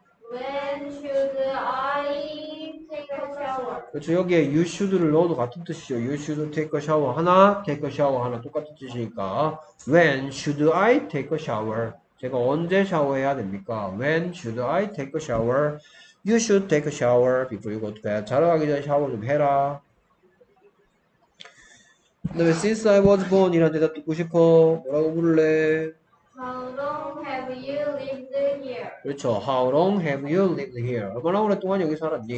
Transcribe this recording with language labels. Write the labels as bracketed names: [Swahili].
[English] When should I take a shower? [Korean] 그렇죠. 여기에 you should를 넣어도 같은 뜻이죠. [English] You should take a shower [Korean] 하나, take a shower 하나 똑같은 뜻이니까 [English] when should I take a shower? [Korean] 제가 언제 샤워해야 됩니까? [English] When should I take a shower? You should take a shower before you go to bed. [Korean] 자러 가기 전에 샤워 좀 해라. 그 다음에 [English] since I was born [Korean] 이란 대답 듣고 싶어. 뭐라고 부를래? [English] How long have you lived here? [Korean] 그렇죠. [English] How long have you lived here? [Korean] 얼마나 오랫동안 여기 살았니?